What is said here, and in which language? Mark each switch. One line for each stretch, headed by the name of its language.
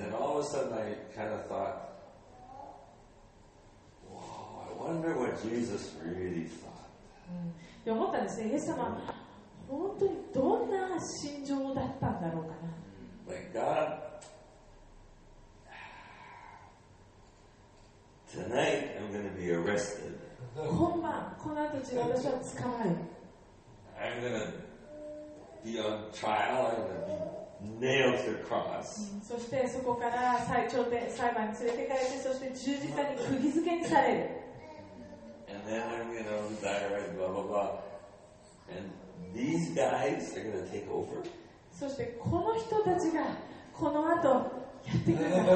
English: And then all of a sudden, I kind of thought, "Wow, I wonder what Jesus really thought."
Japanese: で思ったんですね、イエス様、本当にどんな心情だったんだろうかな。
English: Like God. Tonight I'm going to be arrested.
Japanese: 今晩この後自分たちは捕まる。
English: I'm going to be on trial. I'm going to be nailed to the cross.
Japanese: そしてそこから裁判に連れてかれて、そして十字架に釘付けにされる。
English: And then I'm going to die, right? Blah blah blah. And these guys are going to take over.
Japanese: そしてこの人たちがこの後やってくる。